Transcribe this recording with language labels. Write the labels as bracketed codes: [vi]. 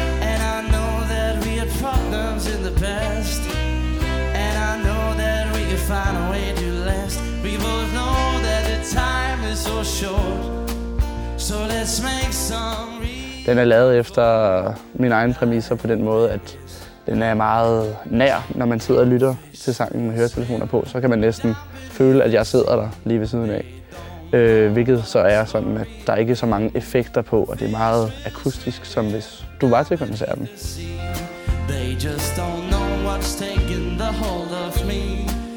[en] And I know that we had problems in the past, and I know that we could find a way to last. We both know that the time is so short, so let's make some reason. [da] Den er lavet efter min egen præmisser på den måde, at den er meget nær, når man sidder og lytter til sangen med høretelefoner på. Så kan man næsten føle, at jeg sidder der lige ved siden af. Hvilket så er sådan, at der ikke er så mange effekter på, og det er meget akustisk, som hvis du var til koncerten. [en] They just don't know what's taking the hold of me.